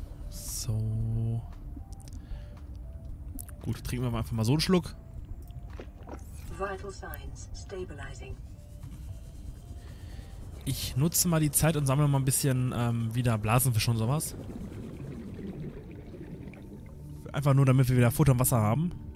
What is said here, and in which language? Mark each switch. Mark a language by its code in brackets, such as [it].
[de] So. Gut, trinken wir mal einfach mal so einen Schluck. [en] Vital signs stabilizing. [de] Ich nutze mal die Zeit und sammle mal ein bisschen wieder Blasenfisch und sowas. Einfach nur, damit wir wieder Futter und Wasser haben.